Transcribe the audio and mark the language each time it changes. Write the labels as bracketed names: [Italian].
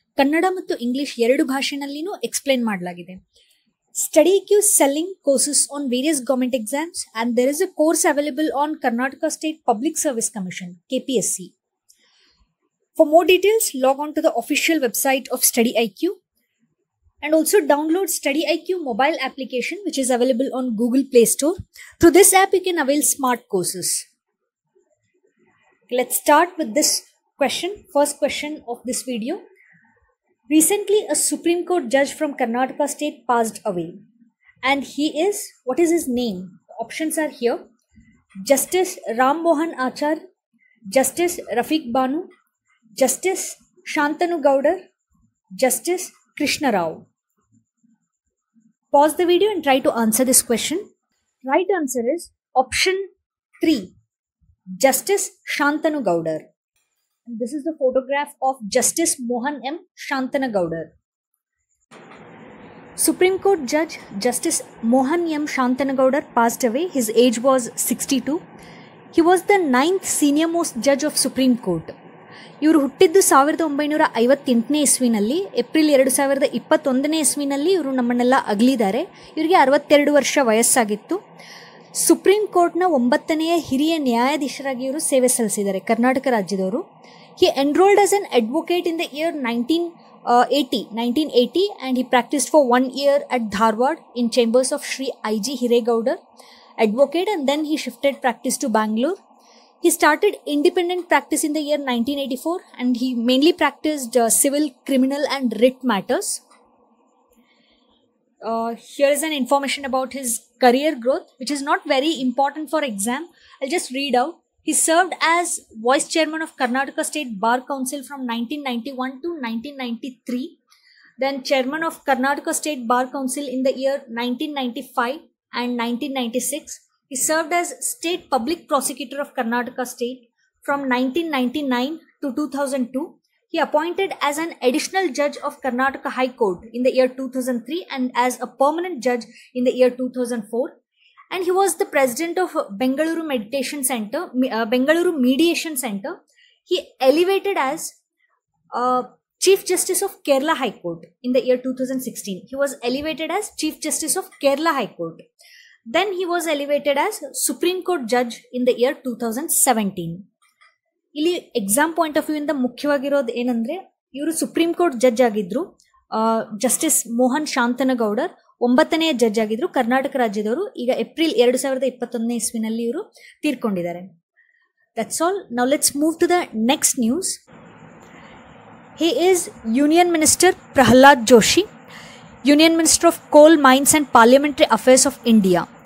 [Kannada] ಕನ್ನಡ ಮತ್ತು ಇಂಗ್ಲಿಷ್ ಎರಡು ಭಾಷೆಯಲ್ಲಿನೂ ಎಕ್ಸ್ಪ್ಲೈನ್ ಮಾಡಲಾಗಿದೆ. [English] Study Q selling courses on various government exams and there is a course available on Karnataka state public service commission KPSC. For more details log on to the official website of study I Q and also download study I Q mobile application which is available on Google Play Store. Through this app you can avail smart courses. Let's start with this question, first question of this video. Recently, a Supreme Court judge from Karnataka state passed away. And he is, what is his name? The options are here. Justice Ram Mohan Achar, Justice Rafiq Banu, Justice Shantanu Gowdar, Justice Krishna Rao. Pause the video and try to answer this question. Right answer is option 3. Justice Shantanu Gowdar. This is the photograph of Justice Mohan M. Shantanu Gowdar. Supreme Court Judge Justice Mohan M. Shantanu Gowdar passed away. His age was 62. He was the 9th senior most judge of Supreme Court. [Kannada] ಇವರು ಹುಟ್ಟಿದ್ದು 1958 ಇಸ್ವಿನಲ್ಲಿ. April 2021 ಇಸ್ವಿನಲ್ಲಿ ಇವರು ನಮ್ಮನ್ನೆಲ್ಲ ಅಗಲಿದ್ದಾರೆ. ಇವರಿಗೆ 62 ವರ್ಷ ವಯಸ್ಸಾಗಿತ್ತು. Supreme ಕೋರ್ಟ್ನ 9ನೆಯ ಹಿರಿಯ ನ್ಯಾಯಾಧೀಶರಾಗಿ ಇವರು ಸೇವೆ ಸಲ್ಲಿಸಿದ್ದಾರೆ ಕರ್ನಾಟಕ ರಾಜ್ಯದವರು. [English] He enrolled as an advocate in the year 1980 and he practice for 1 year at Dharwad in chambers of Shri I G Hiregoudar advocate and then he shifted practice to Bangalore. He started independent practice in the year 1984 and he mainly practised civil criminal and writ matters. Here is an information about his career growth, which is not very important for exam. I'll just read out. He served as vice chairman of Karnataka State Bar Council from 1991 to 1993. Then chairman of Karnataka State Bar Council in the year 1995 and 1996. He served as state public prosecutor of Karnataka State from 1999 to 2002. He appointed as an additional judge of Karnataka High Court in the year 2003 and as a permanent judge in the year 2004. And he was the president of Bengaluru Meditation Center, Bengaluru Mediation Center. He elevated as Chief Justice of Kerala High Court in the year 2016. He was elevated as Chief Justice of Kerala High Court. Then he was elevated as Supreme Court judge in the year 2017. [Kannada] ಇಲ್ಲಿ exam point of ವ್ಯೂಯಿಂದ ಮುಖ್ಯವಾಗಿರೋದು ಏನಂದರೆ, ಇವರು supreme court judge ಆಗಿದ್ದರು. Justice Mohan Shantanu Goudar 9ನೇ judge ಆಗಿದ್ದರು ಕರ್ನಾಟಕ ರಾಜ್ಯದವರು. ಈಗ April 2021 ಇಸ್ವಿನಲ್ಲಿ ಇವರು ತೀರ್ಕೊಂಡಿದ್ದಾರೆ. [English] That's all. Now let's move to the next news. He is union minister Pralhad Joshi, union minister of coal mines and parliamentary affairs of India.